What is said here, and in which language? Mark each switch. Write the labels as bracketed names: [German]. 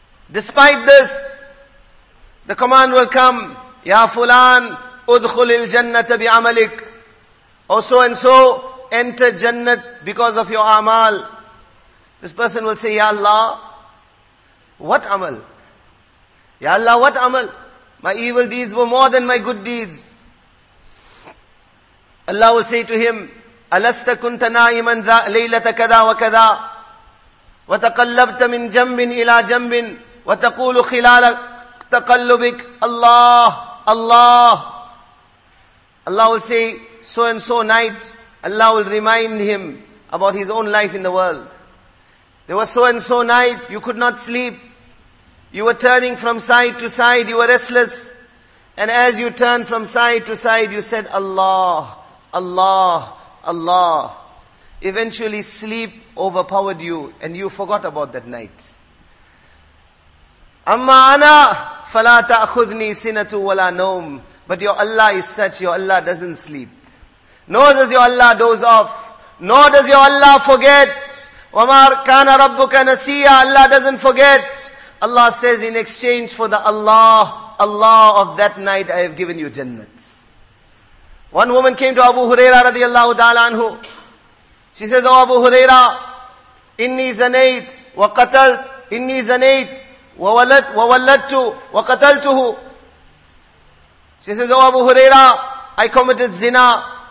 [English] Despite this, the command will come, Ya Fulan, [Arabic] udkhul al-jannata bi-amalik. [English] Or so and so, enter Jannat because of your amal. This person will say, Ya Allah, what amal? Ya Allah, what amal? My evil deeds were more than my good deeds. Allah will say to him, [Arabic] أَلَسْتَ كُنْتَ نَائِمًا ذَا لَيْلَةَ كَذَا وَكَذَا وَتَقَلَّبْتَ مِنْ جَنْبٍ إِلَى جَنْبٍ وَتَقُولُ خِلَالَ تَقَلُّبِكَ Allah, Allah. [English] Allah will say, so and so night, Allah will remind him about his own life in the world. There was so and so night, you could not sleep. You were turning from side to side, you were restless. And as you turned from side to side, you said, Allah, Allah, Allah. Eventually sleep overpowered you and you forgot about that night. [Arabic] Amma ana fala ta'khudhni sinatu wala nawm. [English] But your Allah is such, your Allah doesn't sleep. Nor does your Allah doze off. Nor does your Allah forget. [Arabic] وَمَا كَانَ رَبُّكَ نَسِيَا [English] Allah doesn't forget. Allah says, in exchange for the Allah, Allah of that night, I have given you Jannat. One woman came to Abu Huraira radiallahu ta'ala anhu. She says, oh Abu Huraira, [Arabic] إِنِّي زَنَيْتُ وَقَتَلْتُ إِنِّي زَنَيْتُ وَوَلَّدْتُ وَقَتَلْتُهُ [English] She says, oh Abu Huraira, I committed zina.